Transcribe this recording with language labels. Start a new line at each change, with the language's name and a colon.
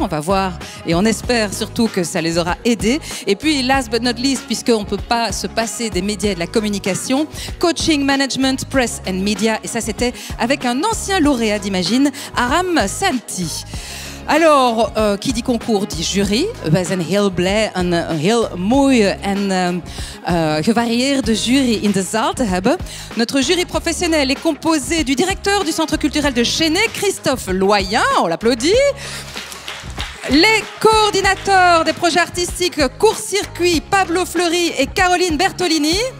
French: On va voir et on espère surtout que ça les aura aidés. Et puis,
English: last but not least,
French: puisqu'on ne peut pas se passer des médias et de la communication,
English: coaching, management, press and media.
French: Et ça, c'était avec un ancien lauréat d'Imagine, Aram Santi. Alors, qui dit concours dit jury.
Dutch: We zijn heel blij een heel mooie en gevarieerde jury in de zaal te hebben.
French: Notre jury professionnel est composé du directeur du Centre culturel de Chesnay, Christophe Loyen, on l'applaudit. Les coordinateurs des projets artistiques Court Circuit, Pablo Fleury et Caroline Bertolini.